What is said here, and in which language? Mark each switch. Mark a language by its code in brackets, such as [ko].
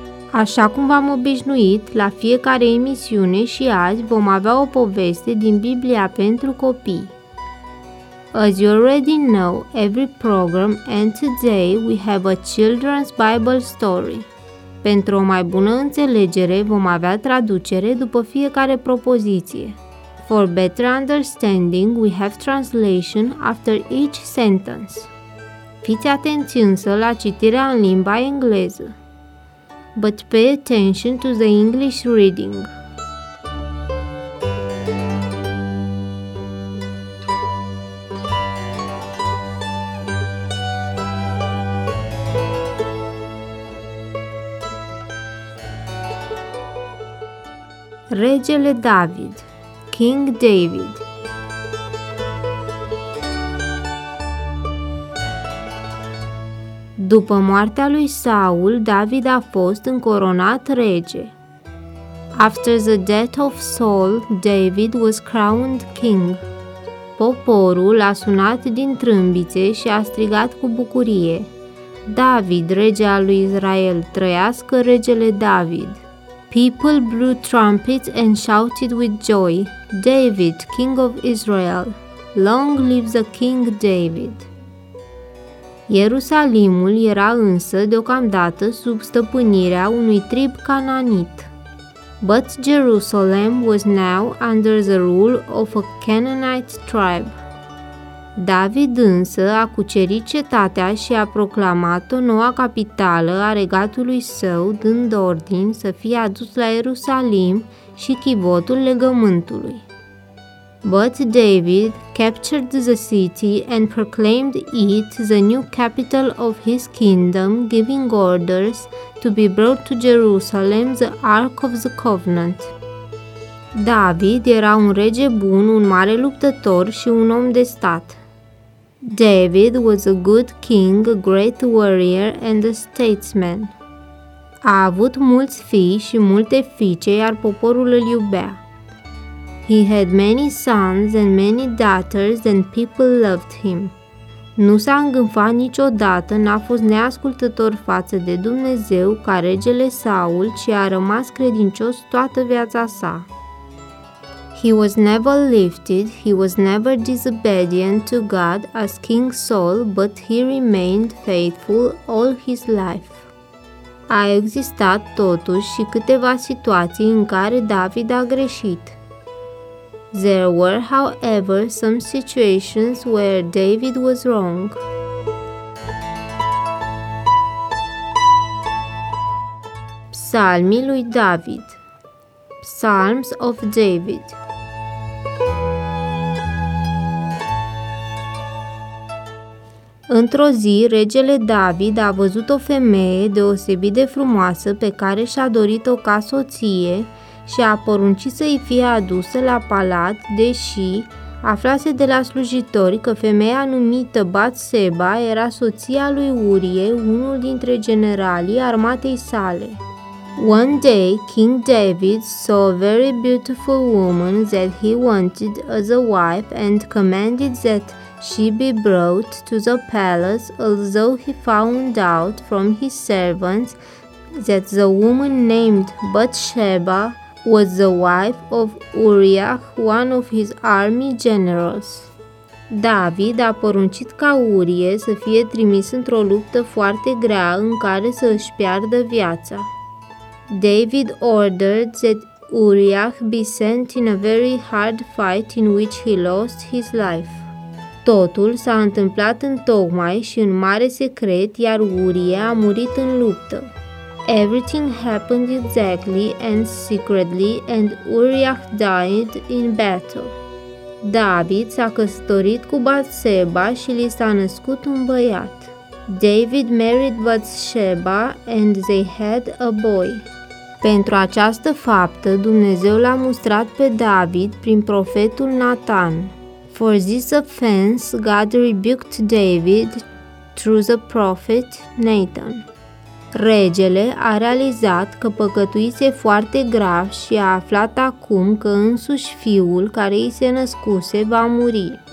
[ro] Așa cum v-am obișnuit, la fiecare emisiune și azi vom avea o poveste din Biblia pentru copii. [en] As you already know, every program and today we have a children's Bible story. [ro] Pentru o mai bună înțelegere, vom avea traducere după fiecare propoziție. [en] For better understanding, we have translation after each sentence. [ro] Fiți atenți însă la citirea în limba engleză. [en] But pay attention to the English reading. [ro] Regele David, [en] King David. [ro] După moartea lui Saul, David a fost încoronat rege. [en] After the death of Saul, David was crowned king. [ro] Poporul a sunat din trâmbițe și a strigat cu bucurie: David, rege al lui Israel, trăiască regele David! [en] People blew trumpets and shouted with joy: David, king of Israel! Long live the king David! [ro] Ierusalimul era însă deocamdată sub stăpânirea unui trib cananit. [en] But Jerusalem was now under the rule of a Canaanite tribe. [ro] David însă a cucerit cetatea și a proclamat-o noua capitală a regatului său, dând ordin să fie adus la Ierusalim și chivotul legământului. [en] But David captured the city and proclaimed it the new capital of his kingdom, giving orders to be brought to Jerusalem the Ark of the Covenant. [ro] David era un rege bun, un mare luptător și un om de stat. [en] David was a good king, a great warrior and a statesman. [ro] A avut mulți fii și multe fiice, iar poporul îl iubea. [en] He had many sons and many daughters and people loved him. [ro] Nu s-a îngânfat niciodată, n-a fost neascultător față de Dumnezeu ca regele Saul, ci a rămas credincios toată viața sa. [en] He was never lifted, he was never disobedient to God as King Saul, but he remained faithful all his life. [ro] A existat totuși și câteva situații în care David a greșit. [en] There were, however, some situations where David was wrong. [ro] Psalmii lui David. [en] Psalms of David. [ro] Într-o zi, regele David a văzut o femeie deosebit de frumoasă pe care și-a dorit-o ca soție și a poruncit să-i fie adusă la palat, deși aflase de la slujitori că femeia numită Bathsheba era soția lui Urie, unul dintre generalii armatei sale. [en] One day, King David saw a very beautiful woman that he wanted as a wife and commanded that she be brought to the palace, although he found out from his servants that the woman named Bathsheba was the wife of Uriah, one of his army generals. [ro] David a poruncit ca Urie să fie trimis într-o luptă foarte grea în care să își piardă viața. [en] David ordered that Uriah be sent in a very hard fight in which he lost his life. [ro] Totul s-a întâmplat întocmai și în mare secret, iar Urie a murit în luptă. [en] Everything happened exactly and secretly, and Uriah died in battle. [ro] David s-a căsătorit cu Bathsheba și li s-a născut un băiat. [en] David married Bathsheba and they had a boy. [ro] Pentru această faptă, Dumnezeu l-a mustrat pe David prin profetul Nathan. [en] For this offense, God rebuked David through the prophet Nathan. [ro] Regele a realizat că păcătuise foarte grav și a aflat acum că însuși fiul care i se născuse va muri.